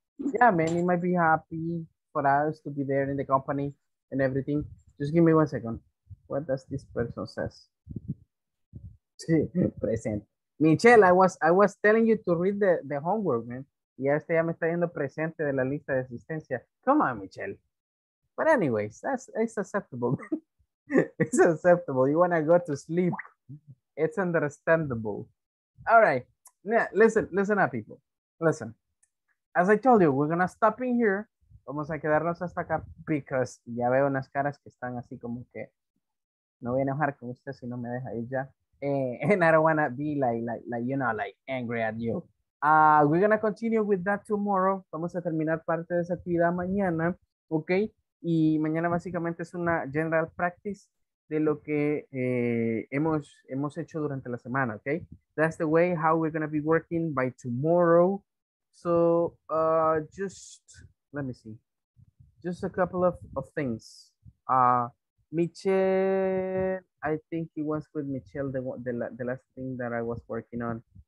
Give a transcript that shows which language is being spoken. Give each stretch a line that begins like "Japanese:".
English: Yeah, man, you might be happy for us to be there in the company and everything. Just give me 1 second. What does this person says? Present. Michelle, I was telling you to read the homework, man.
Spanish: Y este ya me está yendo presente de la lista de asistencia.
English: Come on, Michelle. But anyways, it's acceptable. It's acceptable. You want to go to sleep. It's understandable. All right. Yeah, listen up, people. Listen. As I told you, we're going to stop in here.
Spanish: Vamos a quedarnos hasta acá because ya veo unas caras que están así como que no voy a enojar con usted si no me deja ir ya.
English: And I don't want to be like you know, like angry at you. We're going to continue with that tomorrow.
Spanish: Vamos a terminar parte de esa actividad mañana. Okay. Y mañana básicamente es una general practice de lo que hemos hecho durante la semana, okay?
English: That's the way how we're going to be working by tomorrow. So just, let me see. Just a couple of things. Michelle, I think it was with Michelle, the last thing that I was working on.